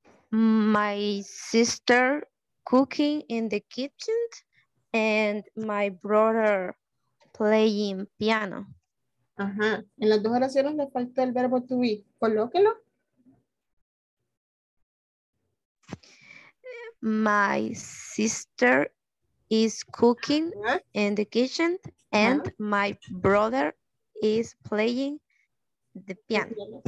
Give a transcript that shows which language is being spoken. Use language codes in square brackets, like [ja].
[en] My sister cooking in the kitchen and my brother playing piano. [es] Ajá. En las dos oraciones le faltó el verbo to be. Colóquelo. [en] My sister is cooking in the kitchen and my brother is playing the piano.